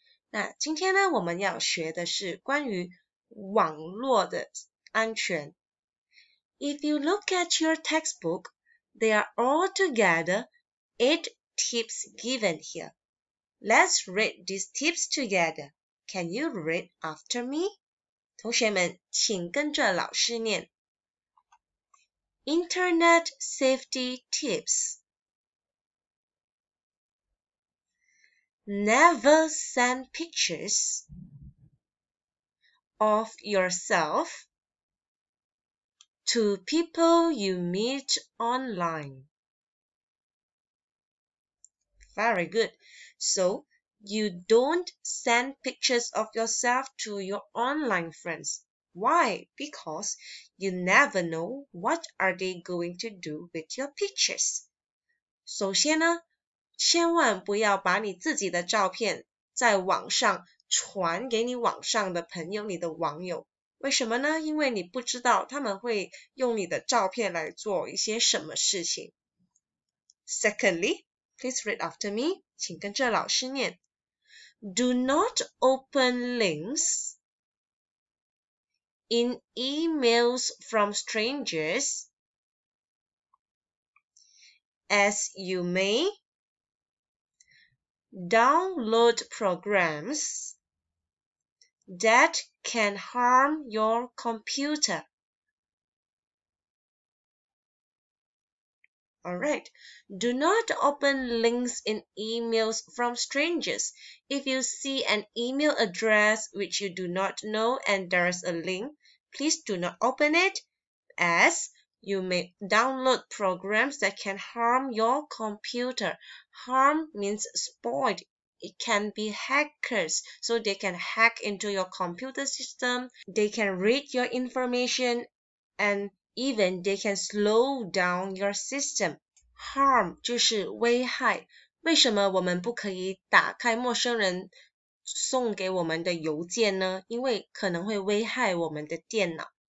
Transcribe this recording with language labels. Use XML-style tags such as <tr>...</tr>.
<zh>那今天呢，我们要学的是关于网络的安全。</zh> <en>If you look at your textbook, there are altogether 8 tips given here. Let's read these tips together. Can you read after me?</en> <zh>同学们，请跟着老师念。</zh> <en>Internet safety tips. Never send pictures of yourself. To people you meet online. Very good. So, you don't send pictures of yourself to your online friends. Why? Because you never know what are they going to do with your pictures.</en> <zh>首先呢，千万不要把你自己的照片在网上传给你网上的朋友，你的网友。为什么呢？因为你不知道他们会用你的照片来做一些什么事情。</zh> <en>Secondly, please read after me.</en> <zh>请跟着老师念。</zh> <en>Do not open links in emails from strangers as you may download programs that can harm your computer. Alright, do not open links in emails from strangers. If you see an email address which you do not know and there is a link, please do not open it as you may download programs that can harm your computer. Harm means spoiled. It can be hackers, so they can hack into your computer system, they can read your information, and even they can slow down your system.</en> <zh>Harm 就是危害。为什么我们不可以打开陌生人送给我们的邮件呢？因为可能会危害我们的电脑。</zh>